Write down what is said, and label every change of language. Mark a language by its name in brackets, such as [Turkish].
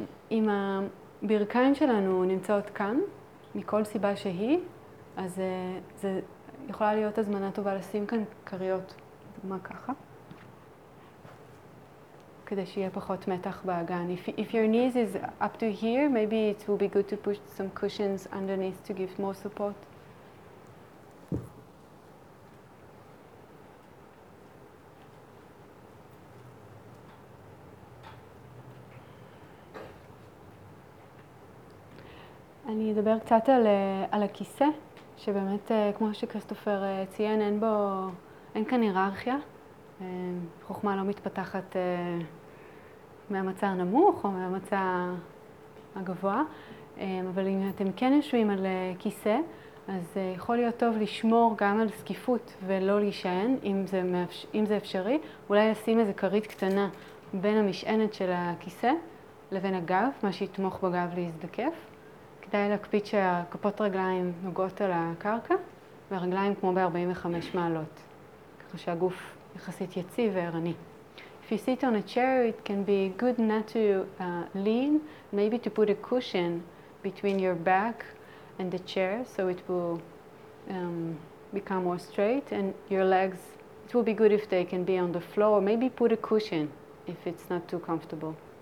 [Hebrew] עם ה... ברכיים שלנו נמצאות כאן, מכל סיבה שהיא, אז זה יכולה להיות הזמנה טובה לשים כאן קריות, דוגמה ככה, כדי שיהיה פחות מתח באגן. [English] If your knees is up to here, maybe it will be good to push some cushions underneath to give more support. [Hebrew] אני אדבר קצת על הכיסא, שבאמת, כמו שקריסטופר ציין, אין כאן היררכיה. חוכמה לא מתפתחת מהמצא הנמוך או מהמצא הגבוה. אבל אם אתם כן יושבים על כיסא, אז יכול להיות טוב לשמור גם על זקיפות ולא להישען, אם זה אפשרי. אולי לשים איזו כרית קטנה בין המשענת של הכיסא לבין הגב, מה שיתמוך בגב להזדקף. כדאי להקפיד שהכפות רגליים נוגעות על הקרקע, והרגליים כמו ב-45 מעלות, ככה שהגוף יחסית יציב וערני. [English] if you sit on a chair, it can be good not to lean, maybe to put a cushion between your back and the chair so it will become more straight, and your legs, it will be good if they can be on the floor, maybe put a cushion if it's not too comfortable.